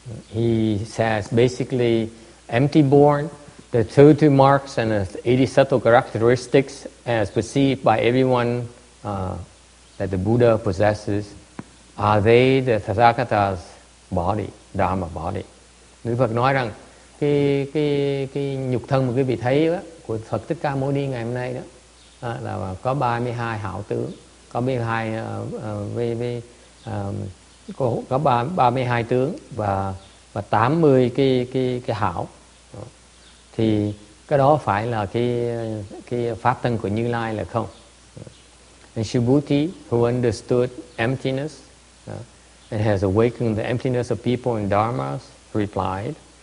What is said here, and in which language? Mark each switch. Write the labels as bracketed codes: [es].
[en] He says basically, empty born, the 32 marks and the 80 subtle characteristics as perceived by everyone that the Buddha possesses, are they the Tathagata's body, Dharma body? [vi] Đức Phật nói rằng cái nhục thân mà quý vị thấy đó, của Phật Thích Ca Mâu Ni ngày hôm nay đó, là có 32 hảo tướng, có 32 có 32 tướng và 80 cái hảo. Thì cái đó phải là cái pháp thân của Như Lai là không? [en] And Shubhuti, who understood emptiness and has awakened the emptiness of people in dharmas, replied,